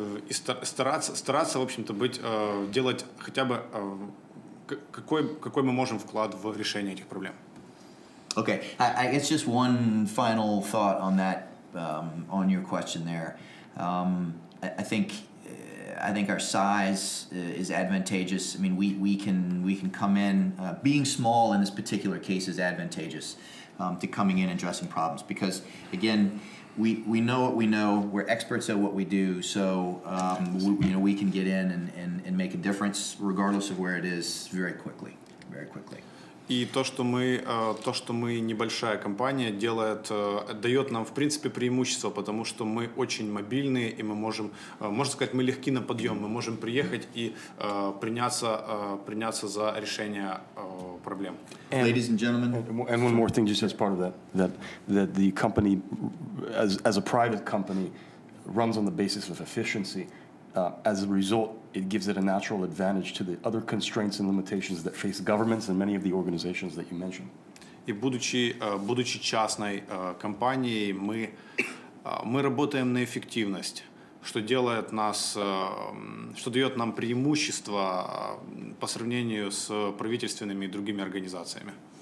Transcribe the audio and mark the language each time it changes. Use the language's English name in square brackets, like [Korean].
[Russian] И стараться, в общем-то, делать хотя бы какой мы можем вклад в решение этих проблем. [English] Okay, I guess just one final thought on that, on your question there. I think our size is advantageous. I mean, we can come in, being small in this particular case is advantageous to coming in and addressing problems, because again, We know what we know. We're experts at what we do, so we can get in and make a difference, regardless of where it is, very quickly, very quickly. [Russian] И то, что мы небольшая компания, дает нам в принципе преимущество, потому что мы очень мобильные и мы можем, можно сказать, мы легки на подъем, мы можем приехать и приняться за решение проблем. [English] And, ladies and gentlemen, and one more thing, just as part of that the company, as a private company, runs on the basis of efficiency. As a result, it gives it a natural advantage to the other constraints and limitations that face governments and many of the organizations that you mentioned. [Russian] И будучи частной компанией, мы работаем на эффективность, что делает нас, что дает нам преимущество по сравнению с правительственными и другими организациями.